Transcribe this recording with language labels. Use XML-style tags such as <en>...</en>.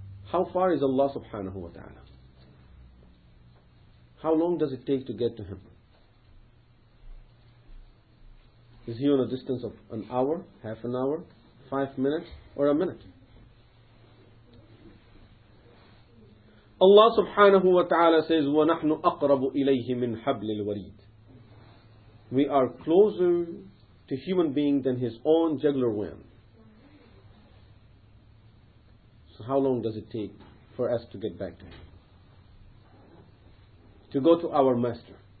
<en>How far is Allah subhanahu wa ta'ala? How long does it take to get to Him? Is He on a distance of an hour, half an hour, 5 minutes, or a minute? Allah subhanahu wa ta'ala says,</en> <ar>وَنَحْنُ أَقْرَبُ إِلَيْهِ مِنْ حَبْلِ الْوَرِيدِ.</ar> <en>We are closer to human being than his own jugular worm. So how long does it take for us to get back to him? To go to our master?</en>